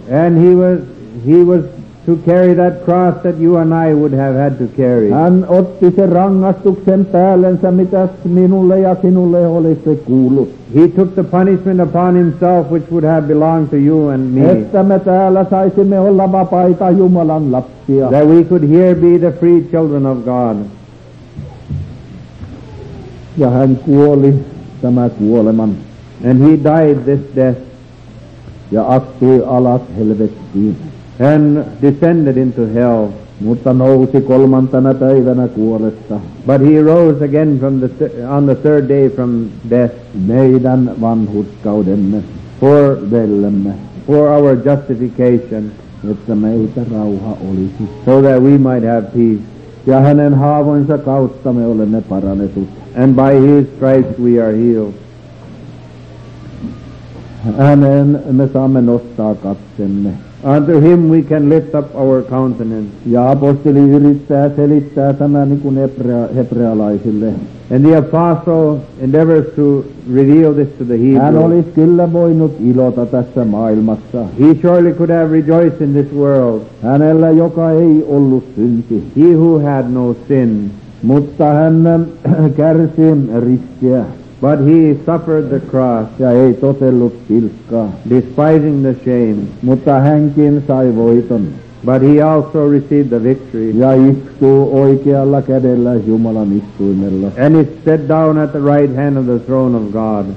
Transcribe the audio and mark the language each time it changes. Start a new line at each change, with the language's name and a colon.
English: And he was to carry that cross that you and I would have had to carry.
Finnish: Hän otti sen rangaistuksen päällensä, mitä minulle ja sinulle olisi kuullut.
English: He took the punishment upon himself which would have belonged to you and me.
Finnish: Että me täällä saisimme olla vapaita Jumalan lapsia.
English: That we could here be the free children of God.
Finnish: Ja hän kuoli tämä kuoleman.
English: And he died this death.
Finnish: Ja astui alas helvettiin.
English: And descended into hell.
Finnish: Mutta nousi kolmantena päivänä kuolesta.
English: But he rose again from the on the third day from death.
Finnish: Meidän vanhurskaudemme.
English: For
Finnish: vellemme.
English: For our justification.
Finnish: Että meitä rauha olisi.
English: So that we might have peace.
Finnish: Ja hänen haavoinsa kautta me olemme parannetut.
English: And by his stripes we are healed.
Finnish: Hänen me saamme nostaa katsemme.
English: Unto him we can lift up our countenance.
Finnish: Ja apostoli yrittää selittää tämä niin kuin hebrealaisille.
English: And the apostle endeavors to reveal this to the Hebrews.
Finnish: Hän olisi kyllä voinut iloita tässä maailmassa.
English: He surely could have rejoiced in this world.
Finnish: Hänellä, joka ei ollut synti.
English: He who had no sin.
Finnish: Mutta hän kärsi ristiä.
English: But he suffered the cross,
Finnish: ja ei totellut pilkkaa,
English: despising the shame.
Finnish: Mutta hänkin sai voiton.
English: But he also received the victory.
Finnish: Ja istuu oikealla kädellä Jumalan istuimella.
English: And is set down at the right hand of the throne of God.